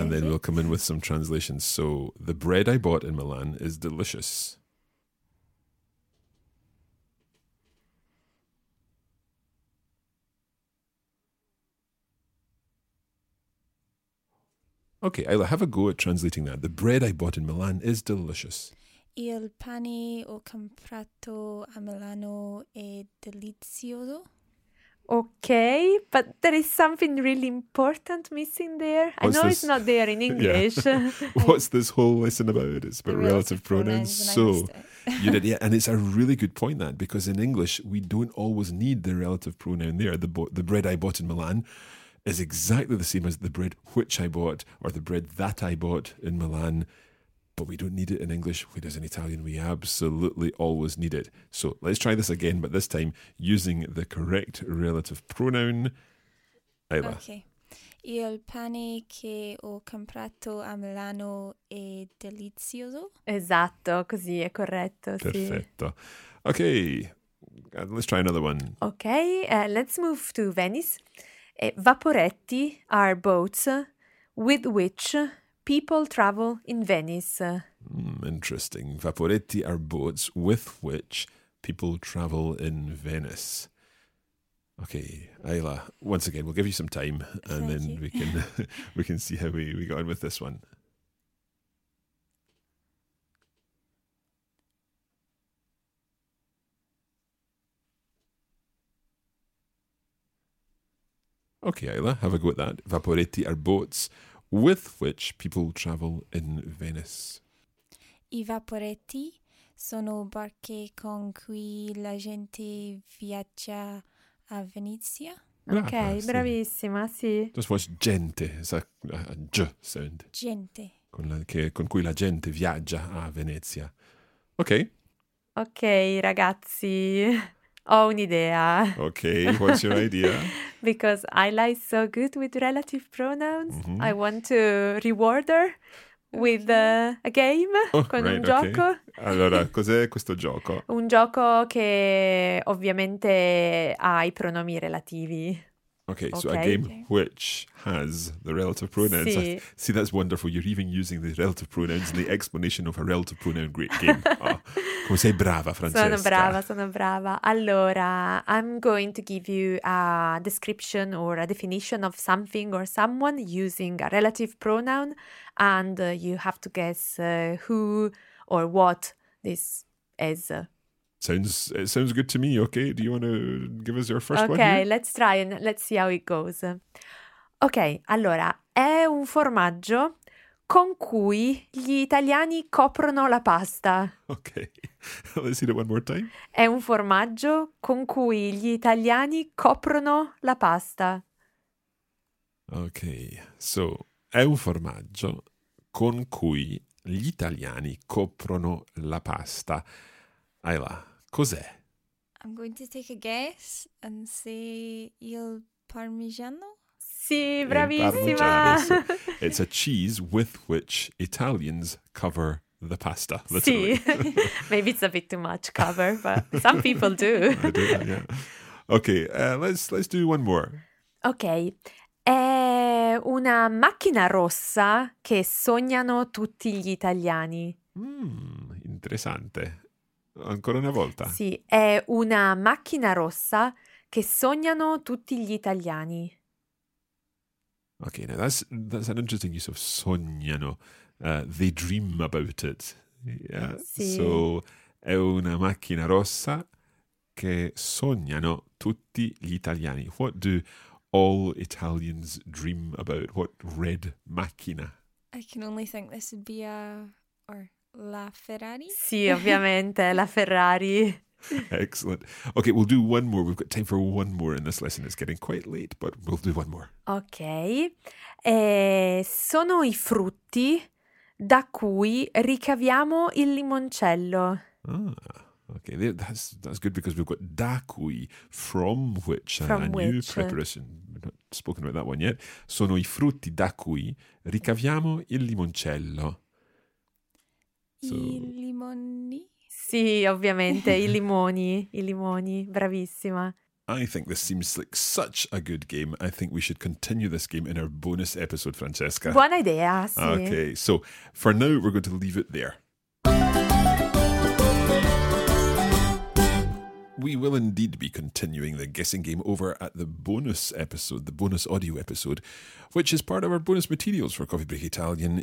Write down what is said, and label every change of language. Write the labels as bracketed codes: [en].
[en] And then we'll come in with some translations. So, the bread I bought in Milan is delicious. Okay, Ayla, have a go at translating that. The bread I bought in Milan is delicious. [it] Il pane ho comprato a Milano è delizioso. [en] Okay, but there is something really important missing there. What's I know this? It's not there in English. What's this whole lesson about? It's about relative pronouns. So, you did, yeah, and it's a really good point that because in English we don't always need the relative pronoun there. The bread I bought in Milan is exactly the same as the bread which I bought or the bread that I bought in Milan. But we don't need it in English. Whereas in Italian, we absolutely always need it. So let's try this again, but this time using the correct relative pronoun. Ayla. Okay. [it] Il pane che ho comprato a Milano è delizioso. Esatto, così è corretto. Sì. Perfetto. [en] Okay, let's try another one. Okay, let's move to Venice. Vaporetti are boats with which people travel in Venice. Interesting. Vaporetti are boats with which people travel in Venice. Okay, Ayla, once again, we'll give you some time and then you. We can we can see how we got on with this one. Okay, Ayla, have a go at that. Vaporetti are boats with which people travel in Venice. [it] I vaporetti sono barche con cui la gente viaggia a Venezia. Ok, ah, sì. Bravissima, sì. [en] Just watch gente, it's a G sound. [it] Gente. Con cui la gente viaggia a Venezia. Ok. Ok, ragazzi. Ho un'idea. [en] Okay, what's your idea? Because Ayla is so good with relative pronouns, mm-hmm. I want to reward her with a game, con right, [it] un gioco. [en] Okay. [it] Allora, cos'è questo gioco? Un gioco che ovviamente ha i pronomi relativi. [en] Okay, so a game which has the relative pronouns. [it] Sì. [en] See, that's wonderful. You're even using the relative pronouns in the explanation of a relative pronoun. Great game. [it] Oh, come sei brava, Francesca. Sono brava, sono brava. [en] Allora, I'm going to give you a description or a definition of something or someone using a relative pronoun, and you have to guess who or what this is. It sounds good to me. Okay, do you want to give us your first okay, one? Okay, let's try and let's see how it goes. [it] Okay, allora, è un formaggio con cui gli italiani coprono la pasta. [en] Okay, let's see it one more time. [it] È un formaggio con cui gli italiani coprono la pasta. Okay, so, è un formaggio con cui gli italiani coprono la pasta. Ayla. Cos'è? [en] I'm going to take a guess and say il parmigiano. [it] Sì, bravissima! [en] It's a cheese with which Italians cover the pasta, literally. Sì, maybe it's a bit too much cover, but some people do. I do, yeah. Okay, let's do one more. Okay, [it] È una macchina rossa che sognano tutti gli italiani. Interessante. Ancora una volta. Sì, è una macchina rossa che sognano tutti gli italiani. [en] Ok, now that's an interesting use of sognano. They dream about it. Yeah. [it] Sì. So, è una macchina rossa che sognano tutti gli italiani. [en] What do all Italians dream about? What red macchina? I can only think this would be a... or la Ferrari? [it] Sì, ovviamente, la Ferrari. [en] Excellent. Okay, we'll do one more. We've got time for one more in this lesson. It's getting quite late, but we'll do one more. Okay. [it] Sono i frutti da cui ricaviamo il limoncello. [en] Ah, okay. That's good because we've got da cui, from which, new preposition. We've not spoken about that one yet. [it] Sono i frutti da cui ricaviamo il limoncello. So, i limoni? Sì, ovviamente, i limoni, i limoni, bravissima. [en] I think this seems like such a good game. I think we should continue this game in our bonus episode, Francesca. [it] Buona idea, sì. [en] Okay, so for now we're going to leave it there. We will indeed be continuing the guessing game over at the bonus episode, the bonus audio episode, which is part of our bonus materials for Coffee Break Italian.